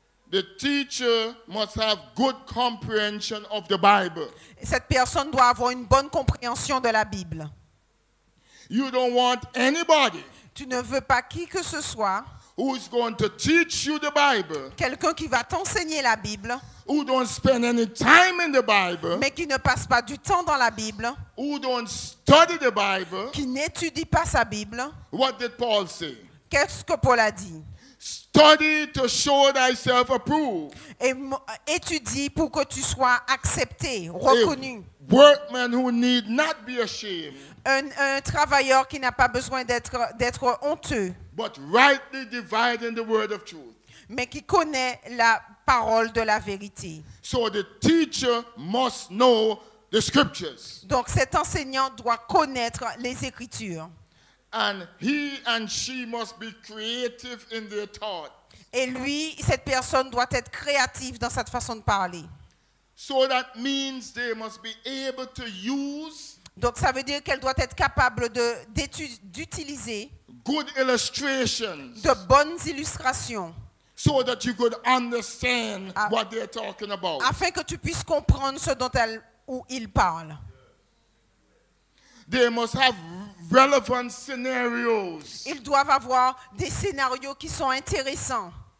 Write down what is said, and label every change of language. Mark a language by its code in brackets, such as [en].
[en] The teacher must have good comprehension of the Bible. [fr] Cette personne doit avoir une bonne compréhension de la Bible. [en] You don't want anybody [fr] tu ne veux pas qui que ce soit [en] who is going to teach you the Bible [fr] quelqu'un qui va t'enseigner la Bible [en] who don't spend any time in the Bible [fr] mais qui ne passe pas du temps dans la Bible [en] who don't study the Bible [fr] qui n'étudie pas sa Bible. [en] What did Paul say? [fr] Qu'est-ce que Paul a dit? [en] Study to show thyself approved. [fr] Et étudie pour que tu sois accepté, reconnu. [en] A workman who need not be ashamed. [fr] Un travailleur qui n'a pas besoin d'être honteux. [en] But rightly dividing the word of truth. [fr] Mais qui connaît la parole de la vérité. [en] So the teacher must know the scriptures. [fr] Donc cet enseignant doit connaître les écritures. [en] And he and she must be creative in their thought. [fr] Et lui, cette personne doit être créative dans cette façon de parler. [en] So that means they must be able to use. [fr] Donc ça veut dire qu'elle doit être capable d'utiliser. [en] Good illustrations. [fr] De bonnes illustrations. [en] So that you could understand what they're talking about. [fr] Afin que tu puisses comprendre ce dont elle ou il parle. [en] They must have relevant scenarios. [fr] Ils doivent avoir des scénarios qui sont intéressants.